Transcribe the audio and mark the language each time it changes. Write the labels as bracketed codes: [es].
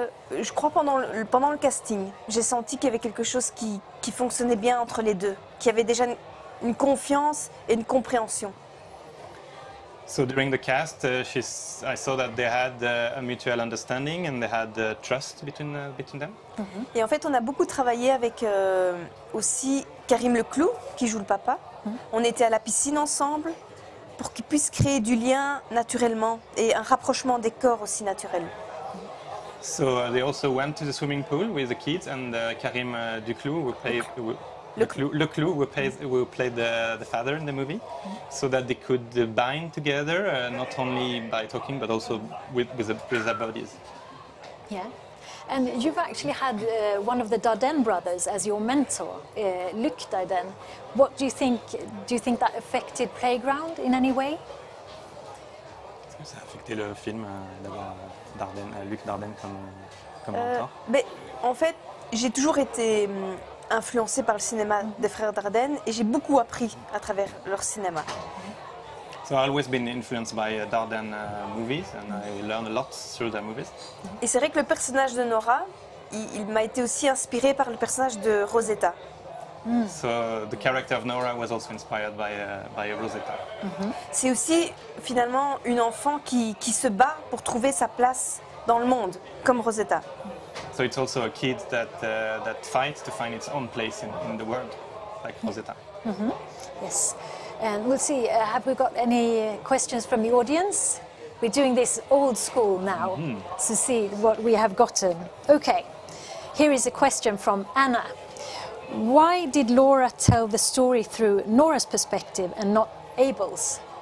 [fr] Je crois pendant le casting, j'ai senti qu'il y avait quelque chose qui fonctionnait bien entre les deux, qui avait déjà une confiance et une compréhension. [en] So during the cast, I saw that they had a mutual understanding and they had trust between them. Mm-hmm. [fr] Et en fait, on a beaucoup travaillé avec aussi Karim Leclou, qui joue le papa. Mm-hmm. On était à la piscine ensemble pour qu'ils puissent créer du lien naturellement et un rapprochement des corps aussi naturel. [en] So they also went to the swimming pool with the kids and Karim Duclou who played the father in the movie, so that they could bind together not only by talking but also with their bodies. Yeah, and you've actually had one of the Dardenne brothers as your mentor, Luc Dardenne. What do you think? Do you think that affected Playground in any way? [fr] Ça a affecté le film d'avoir Luc Dardenne comme comme mentor? Mais en fait, j'ai toujours été influencée par le cinéma des frères Dardenne et j'ai beaucoup appris à travers leur cinéma. [en] So I've always been influenced by Dardenne movies and I learned a lot through their movies. [fr] Et c'est vrai que le personnage de Nora, il m'a été aussi inspiré par le personnage de Rosetta. [en] So the character of Nora was also inspired by Rosetta. [fr] C'est aussi finalement une enfant qui se bat pour trouver sa place dans le monde comme Rosetta. [en] So it's also a kid that fights to find its own place in the world like Rosetta. Yes. And we'll see, have we got any questions from the audience? We're doing this old school now to see what we have gotten. Okay, here is a question from Anna. Why did Laura tell the story through Nora's perspective and not Abel's?